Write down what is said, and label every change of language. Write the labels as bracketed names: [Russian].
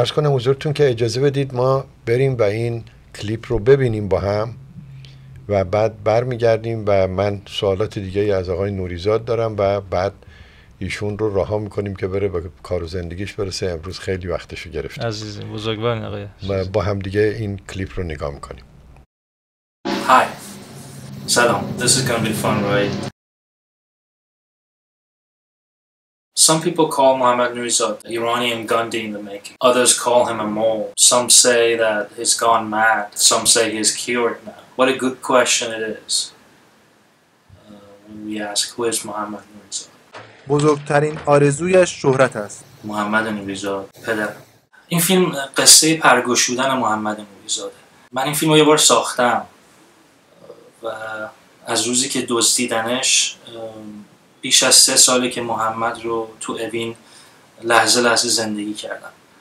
[Persian] عرض کنم حضورتون که اجازه بدید ما بریم و این کلیپ رو ببینیم با هم و بعد برمیگردیم و من سوالات دیگه ای از آقای نوریزاد دارم و بعد ایشون رو رها میکنیم که بره به کار و زندگیش برسه. امروز خیلی وقتشو گرفت. عزیزی بزرگوار آقای. با هم دیگه این کلیپ رو نگاه میکنیم. [English] Hi. [Persian] سلام. [English] This is going to be fun, right? Some people call Mohammad Nurizad the Iranian Gandhi in the making. Others call him a mole. Some say that he's gone mad. Some say he's cured now. What a good question it is. When we ask who is Mohammad Nurizad. [Persian] بزرگترین آرزویش شهرت است. محمد نوریزاد پدر. این فیلم قصه پرگشودن محمد نوریزاده. من این فیلم رو یه بار ساختم و از روزی که دزدیدنش بیش از 3 ساله که محمد رو تو اوین لحظه لحظه زندگی کردم.